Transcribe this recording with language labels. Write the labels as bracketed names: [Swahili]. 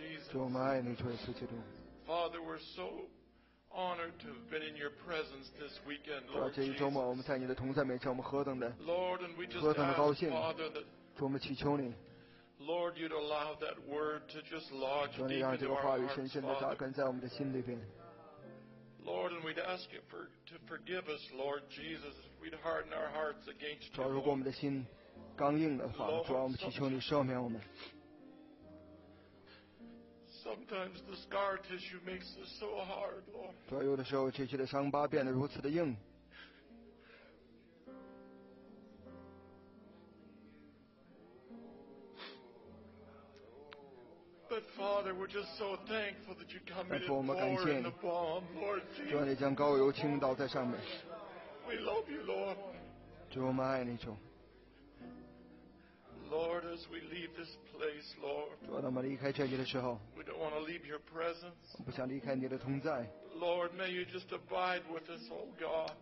[Chinese] 主，我们爱你，主耶稣基督。 [English] Honored to have been in your presence this weekend, Lord. [Chinese] 这一周末我们在你的同在面前，我们何等的， [English] Lord, and we just ask Father that, [Chinese] 我们祈求你 [English] Lord, you'd allow that word to just lodge deep into our hearts, Father. Lord, and we'd ask you for, to forgive us, Lord Jesus. We'd harden our hearts against you. [Chinese] 如果我们的心刚硬的话，主啊，我们祈求你赦免我们。 [English] Sometimes the scar tissue makes us so hard, Lord. [Chinese] 主啊，有的时候这些的伤疤变得如此的硬。 [English] But Father, we're just so thankful that you come in and pour in the balm, Lord Jesus. [Chinese] 主啊，你将膏油倾倒在上面。We [English] love you, Lord. [Chinese] 主，我们爱你，主。 [English] Lord, as we leave this place, Lord, [Chinese] 主啊，当我们离开这里的时候， [English] we don't want to leave your presence. [Chinese] 我不想离开你的同在。 [English] Lord, may you just abide with us, O God.